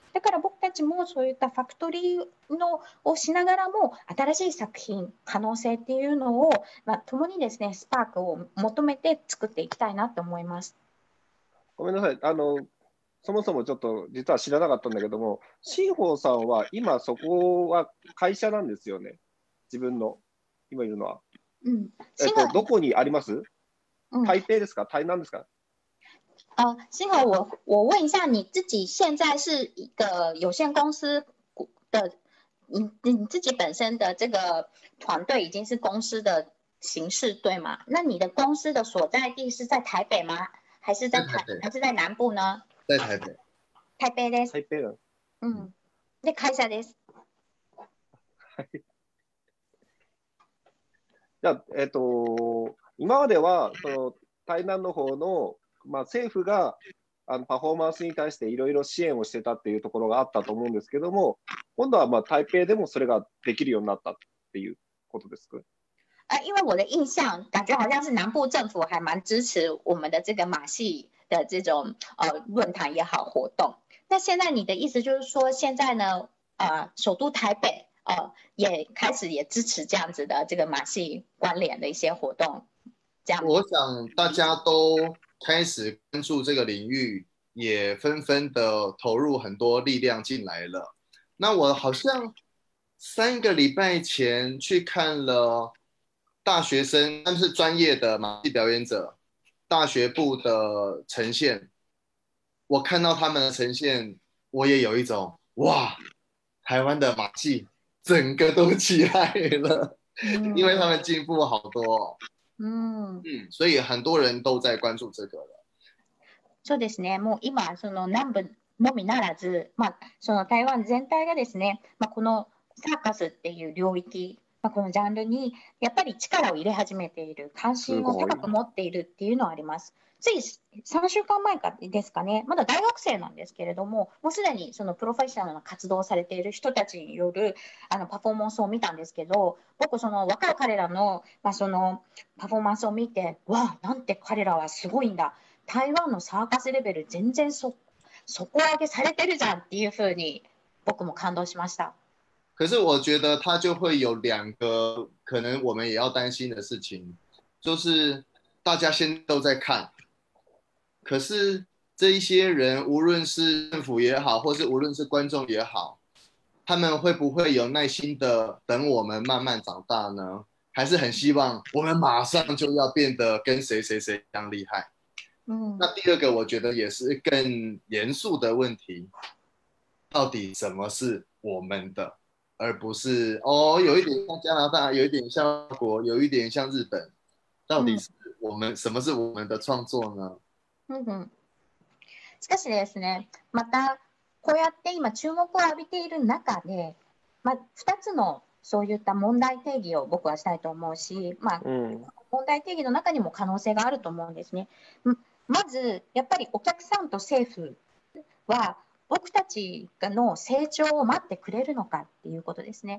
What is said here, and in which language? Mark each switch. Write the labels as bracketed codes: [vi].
[ja] だから僕たちもそういったファクトリーのをしながらも新しい作品可能性っていうのを、まあ、共にですねスパークを求めて作っていきたいなと思います。ごめんなさい、そもそもちょっと実は知らなかったんだけども、シンホーさんは今そこは会社なんですよね、自分の今いるのは。うん、どこにあります、うん、台北ですか、台南ですか。 [zh] あ、シンホー、我问一下你自己现在是一个有限公司的 你自己本身的这个团队已经是公司的形式对吗？那你的公司的所在地是在台北吗？还是 还是在南部呢？在台北。 [ja] 台北です。台北。嗯。で会社です。じゃあ、今まではその台南の方の、まあ、政府がパフォーマンスに対していろいろ支援をしてたっていうところがあったと思うんですけども、今度はまあ台北でもそれができるようになったっていうことですか？ [zh] 因为我的印象感觉好像是南部政府还蛮支持我们的这个马戏的这种论坛也好活动。那现在你的意思就是说现在呢首都台北也开始也支持这样子的这个马戏关联的一些活动。这样我想大家都开始关注这个领域，也纷纷的投入很多力量进来了。那我好像三个礼拜前去看了大学生，他们是专业的马戏表演者，大学部的呈现，我看到他们的呈现，我也有一种哇，台湾的马戏整个都起来了，因为他们进步好多，所以很多人都在关注这个了。 [ja] そうですね、もう今その南部のみならず、まあその台湾全体がですね、まあこのサーカスっていう領域。まあ、このジャンルにやっぱり力を入れ始めている、関心を高く持っているっていうのはあります。つい3週間前かですかね、まだ大学生なんですけれども、もうすでにそのプロフェッショナルの活動をされている人たちによるパフォーマンスを見たんですけど、僕その若い彼らの、まあ、そのパフォーマンスを見て、わあ、なんて彼らはすごいんだ。台湾のサーカスレベル全然底上げされてるじゃんっていうふうに僕も感動しました。 [zh] 可是我觉得他就会有两个可能我们也要担心的事情，就是大家现在都在看，可是这一些人无论是政府也好，或是无论是观众也好，他们会不会有耐心的等我们慢慢长大呢？还是很希望我们马上就要变得跟谁谁谁一样厉害。那第二个我觉得也是更严肃的问题，到底什么是我们的？而不是哦，有一点像加拿大，有一点像法国，有一点像日本，到底是我们、什么是我们的创作呢？ [ja] しかしですね、またこうやって今注目を浴びている中で、まあ、2つのそういった問題定義を僕はしたいと思うし、まあ、問題定義の中にも可能性があると思うんですね。まずやっぱりお客さんと政府は僕たちの成長を待ってくれるのかっていうことですね。